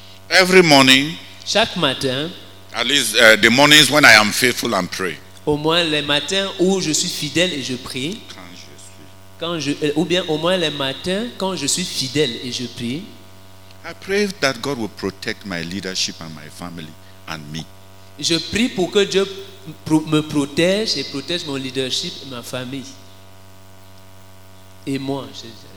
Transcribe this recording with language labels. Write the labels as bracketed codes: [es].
[en] Every morning, [fr] chaque matin, [en] at least the mornings when I am faithful and pray. [fr] Au moins les matins où je suis fidèle et je prie. Quand je suis fidèle et je prie. [en] I pray that God will protect my leadership and my family and me. [fr] Je prie pour que Dieu me protège et protège mon leadership et ma famille. Et moi, je dirais.